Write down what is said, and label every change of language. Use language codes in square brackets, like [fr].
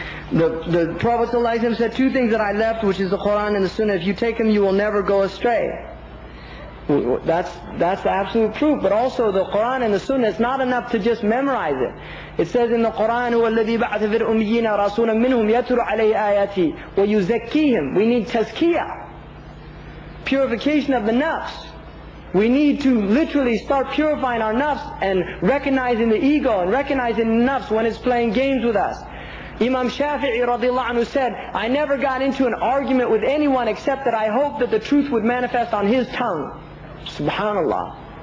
[en] The Prophet ﷺ said two things that I left, which is the Quran and the Sunnah. If you take them, you will never go astray. That's the absolute proof. But also the Quran and the Sunnah, it's not enough to just memorize it. It says in the Quran, [ar] هو الذي بعث في الأميين رسولا منهم يتلو عليه آياتي ويزكيهم. [en] We need tazkiyah, purification of the nafs. We need to literally start purifying our nafs and recognizing the ego and recognizing nafs when it's playing games with us. Imam Shafi'i radiallahu anhu said, I never got into an argument with anyone except that I hoped that the truth would manifest on his tongue. Subhanallah.